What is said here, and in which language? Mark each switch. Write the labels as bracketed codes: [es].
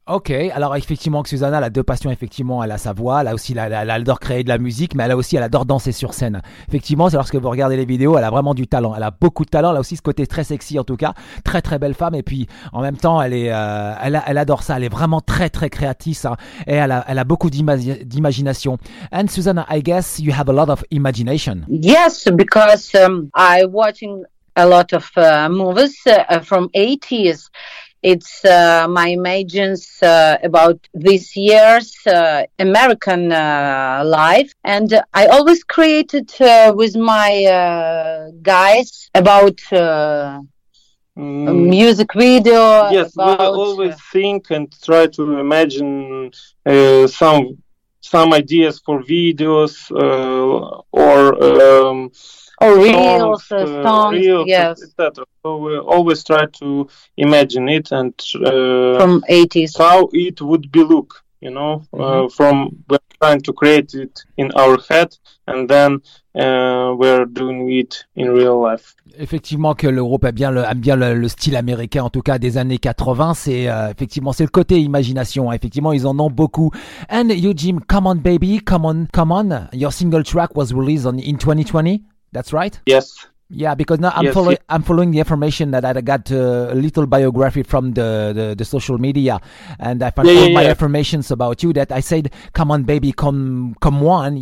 [fr] Ok, alors effectivement que Susanna a deux passions, effectivement elle a sa voix, elle a aussi elle adore créer de la musique, mais elle adore danser sur scène. Effectivement, c'est lorsque vous regardez les vidéos, elle a vraiment du talent, elle a beaucoup de talent, elle a aussi ce côté très sexy en tout cas, très très belle femme, et puis en même temps elle adore ça, elle est vraiment très très créatrice, hein, et elle a beaucoup d'imagination. [en] And Susanna, I guess you have a lot of imagination. Yes, because I watching a lot of movies from 80s. It's my imagines about this year's American life. And I always created with my guys about music video. Yes, about, we always think and try to imagine some ideas for videos or reels, songs, yes. Etc. So we always try to imagine it and from 80s. How it would be look, you know, from we're trying to create it in our head, and then we're doing it in real life. [fr] Effectivement que l'Europe aime bien le style américain, en tout cas des années 80, c'est le côté imagination, hein. Effectivement ils en ont beaucoup. [en] And you, Jim, come on baby, come on, your single track was released in 2020. That's right? Yes. Yeah, because now I'm following the information that I got a little biography from the social media, and I found all my affirmations about you that I said, come on, baby, come on.